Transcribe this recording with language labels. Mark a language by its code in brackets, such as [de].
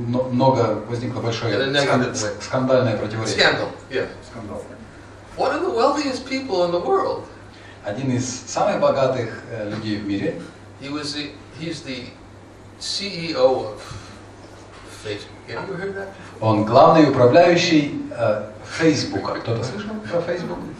[ru] Много возникло большое скандальное противоречие. Скандал. Скандал. [en] One of the wealthiest people in the world. [ru] Один из самых богатых людей в мире. [en] He's the CEO of Facebook. Have you heard that? [ru] Он главный управляющий Facebook. Кто-то слышал про Facebook?